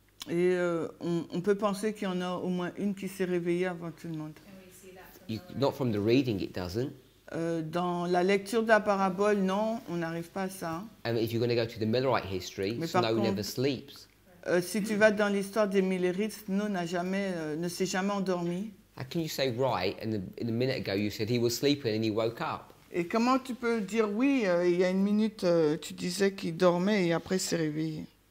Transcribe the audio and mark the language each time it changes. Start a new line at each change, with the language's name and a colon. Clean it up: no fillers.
French: Et on peut penser qu'il y en a au moins une qui s'est réveillée avant tout le monde.
English: Not from the reading, it doesn't.
French: Dans la lecture de la parabole, non, on n'arrive pas à ça.
English: And if you're going to go to the Millerite history, Snow never sleeps.
French: Si tu vas dans l'histoire des Millerites, Snow n'a jamais, ne s'est jamais endormi.
English: How can you say right, and a minute ago you said he was sleeping and he woke up?
French: Et comment tu peux dire oui, il y a une minute tu disais qu'il dormait et après s'est réveillé?